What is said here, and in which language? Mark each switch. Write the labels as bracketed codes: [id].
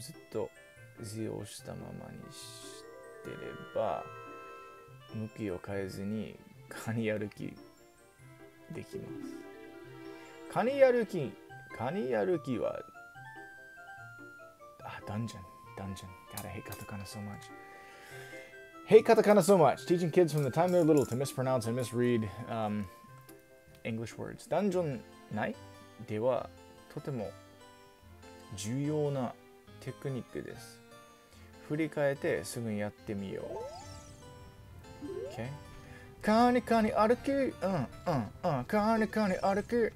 [ja] ずっと Z を押したままにしてれば向きを変えずにカニ歩きできます。カニ歩きはあ、ダンジョン。 [en] God, I hate katakana so much. Hate katakana so much. Teaching kids from the time they're little to mispronounce and misread, English words. [ja] ダンジョン内ではとても重要なテクニックです。振り返ってすぐにやってみよう。 [en] Okay. [ja] カニカニ歩き、カニカニ歩き。